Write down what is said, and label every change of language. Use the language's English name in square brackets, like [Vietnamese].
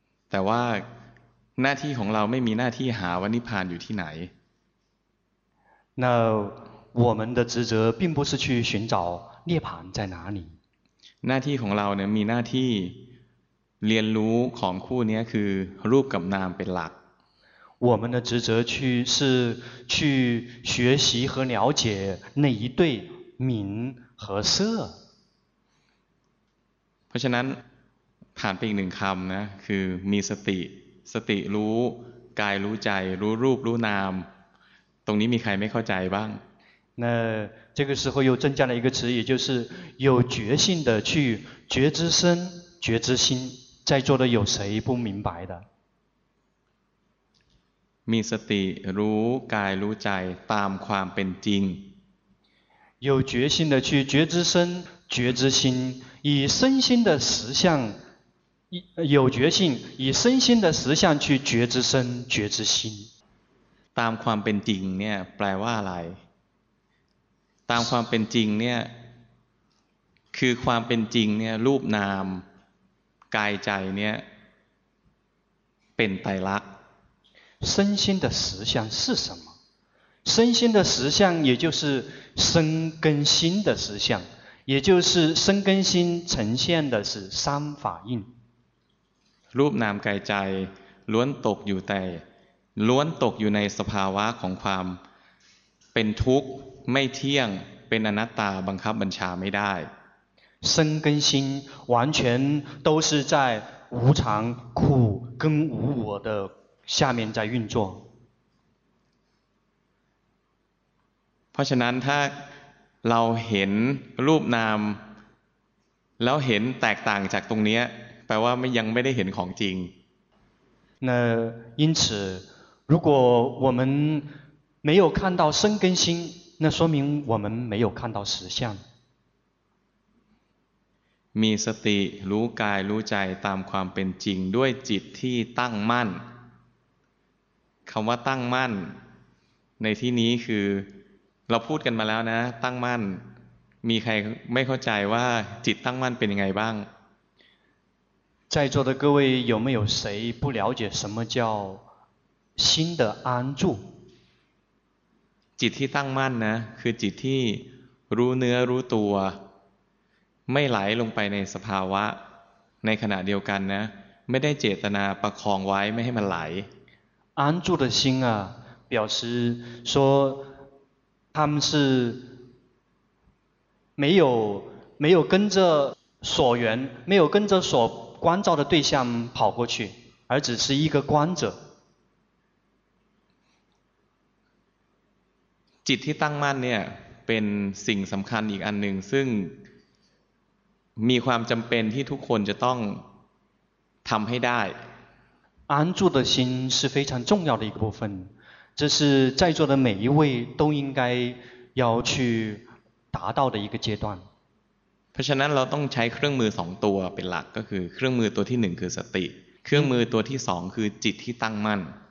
[Thai] แต่ว่าหน้าที่ของเราไม่มีหน้าที่หาว่านิพพานอยู่ที่ไหน [Chinese] 那我们的职责并不是去寻找涅槃在哪里 [Thai] หน้าที่ของเราเนี่ยมีหน้าที่เรียนรู้ของคู่นี้คือรูปกับนามเป็นหลัก [Chinese] 我们的职责去是去学习和了解那一对名和色 [Thai] เพราะฉะนั้นผ่านไปอีกหนึ่งคำนะคือมีสติสติรู้กายรู้ใจรู้รูปรู้นามตรงนี้มีใครไม่เข้าใจบ้าง [Chinese] 那这个时候又增加了一个词也就是有觉性的去觉知身觉知心在座的有谁不明白的 [Thai] มีสติรู้กายรู้ใจตามความเป็นจริง [Chinese] 有决心的去觉知身觉知心以身心的实相有决心以身心的实相去觉知身觉知心 [Thai] ตามความเป็นจริงเนี่ยแปลว่าอะไรตามความเป็นจริงเนี่ยคือความเป็นจริงเนี่ยรูปนามกายใจเนี่ยเป็นไตรลักษณ์ [Chinese] 身心的实相是什么身心的实相也就是身跟心的实相也就是身跟心呈现的是三法印 [Thai] รูปนามกายใจ ล้วนตกอยู่แต่ล้วนตกอยู่ในสภาวะของความเป็นทุกข์ไม่เที่ยงเป็นอนัตตาบังคับบัญชาไม่ได้ [Chinese] 身跟心完全都是在无常苦跟无我的下面在运作 [Thai] เพราะฉะนั้นถ้าเราเห็นรูปนามแล้วเห็นแตกต่างจากตรงนี้แปลว่ายังไม่ได้เห็นของจริง [Chinese] 那因此如果我们没有看到生根心那说明我们没有看到实相 [Thai] มีสติรู้กายรู้ใจตามความเป็นจริงด้วยจิตที่ตั้งมั่นคำว่าตั้งมั่นในที่นี้คือเราพูดกันมาแล้วนะตั้งมั่นมีใครไม่เข้าใจว่าจิตตั้งมั่นเป็นยังไงบ้าง [Chinese] 在座的各位有没有谁不了解什么叫心的安住 [Thai] จิตที่ตั้งมั่นนะคือจิตที่รู้เนื้อรู้ตัวไม่ไหลลงไปในสภาวะในขณะเดียวกันนะไม่ได้เจตนาประคองไว้ไม่ให้มันไหล [Chinese] 安住的心啊表示说他们是没有跟着所缘没有跟着所观照的对象跑过去而只是一个观者 [Thai] จิตที่ตั้งมั่นเนี่ยเป็นสิ่งสำคัญอีกอันหนึ่งซึ่งมีความจำเป็นที่ทุกคนจะต้องทำให้ได้ [Chinese] 安住的心是非常重要的一个部分这是在座的每一位都应该要去达到的一个阶段 [Thai] เพราะฉะนั้นเราต้องใช้เครื่องมือ2ตัวเป็นหลักก็คือเครื่องมือตัวที่1คือสติเครื่องมือตัวที่2คือจิตที่ตั้งมั่น